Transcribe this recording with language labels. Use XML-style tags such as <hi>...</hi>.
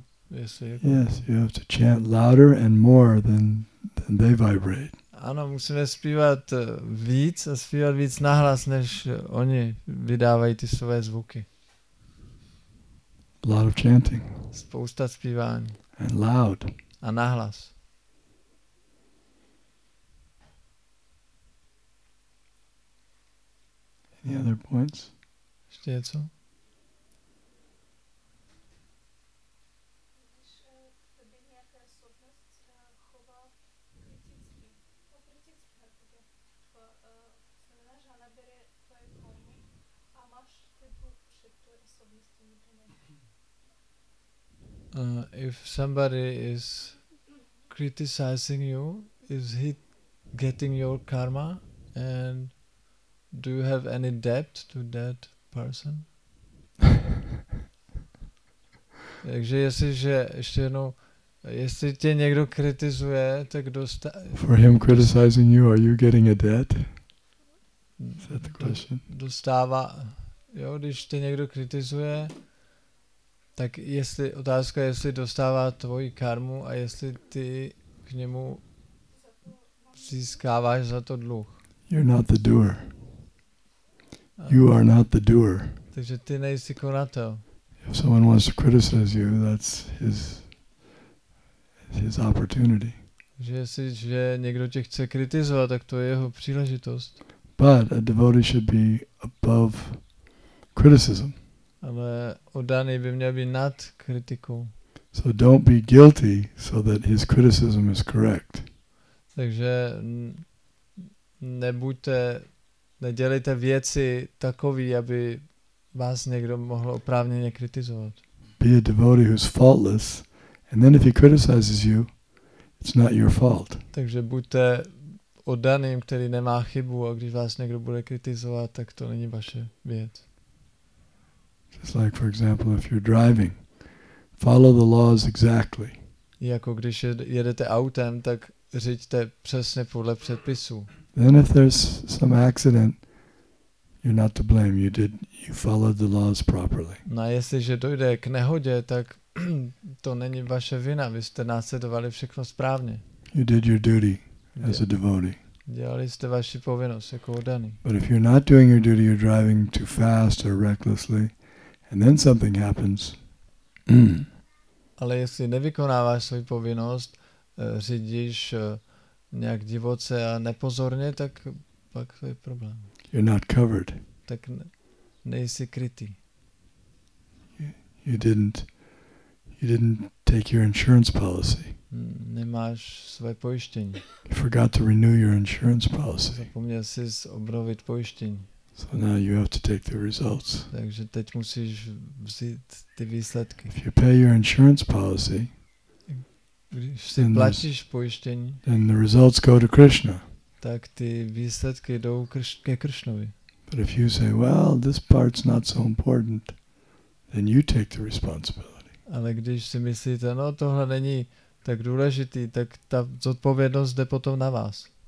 <en>Yes, you have to chant louder and more than they vibrate.</en> <cs>Ano, musíme zpívat víc a zpívat víc nahlas, než oni vydávají ty své zvuky.</cs> <en>A lot of chanting.</en> <cs>Spousta zpívání.</cs> <en>And loud.</en> <cs>A nahlas.</cs> <en>Any other points?</en> <cs>Ještě něco? Když by nějaká osobnost chová kriticky,</cs> <en>If somebody is criticizing you, is he getting your karma? And do you have any debt to that person?</en> <cs>Takže jestliže, ještě jednou, jestli tě někdo kritizuje, tak dostáváš...</cs> <en>For him criticizing you, are you getting a debt? Is that the question?</en> <cs>Dostává, jo, když tě někdo kritizuje, tak jestli, otázka je, jestli dostává tvoji karmu a jestli ty k němu získáváš za to dluh.</cs> <en>You're not the doer. You are not the doer.</en> <cs>Takže ty nejsi konatel.</cs> <en>If someone wants to criticize you, that's his opportunity.</en> <cs>Že někdo tě chce kritizovat, tak to je jeho příležitost.</cs> <en>But a devotee should be above criticism.</en> <cs>Ale oddaný by měl být nad kritikou.</cs> <en>So don't be guilty so that his criticism is correct.</en> <cs>Takže nebuďte, nedělejte věci takový, aby vás někdo mohl oprávněně kritizovat.</cs> <en>Be a devotee who's faultless, and then if he criticizes you, it's not your fault.</en> <cs>Takže buďte oddaným, který nemá chybu, a když vás někdo bude kritizovat, tak to není vaše věc.</cs> <en>Just like, for example, if you're driving, follow the laws exactly.</en> <cs>Jako když jedete autem, tak řiďte přesně podle předpisů.</cs> <en>Then if there's some accident, you're not to blame. You followed the laws properly.</en> <cs>No, jestliže dojde k nehodě, tak to není vaše vina. Vy jste následovali všechno správně.</cs> <en>You did your duty as a devotee.</en> <cs>Dělali jste vaši povinnost jako oddaný.</cs> <en>But if you're not doing your duty, you're driving too fast or recklessly, and then something happens.</en> <cs>Ale jestli nevykonáváš svou povinnost, řídíš nějak divoce a nepozorně, tak pak to je problém.</cs> <en>You're not covered.</en> <cs>Tak nejsi krytý.</cs> <en>You didn't take your insurance policy.</en> <cs>Nemáš své pojištění.</cs> <en>You forgot to renew your insurance policy.</en> <cs>Zapomněl jsi obnovit pojištění.</cs> <en>So now you have to take the results.</en> <cs>Takže teď musíš vzít ty výsledky.</cs> <en>If you pay your insurance policy,</en> <cs>když si platíš pojištění,</cs> <en>then the results go to Krishna.</en> <cs>Tak ty výsledky jdou ke Krishnovi.</cs> <en>But if you say, well, this part's not so important, then you take the responsibility.</en> <cs>Ale když si myslíte, no tohle není tak důležitý, tak ta zodpovědnost jde potom na vás.</cs>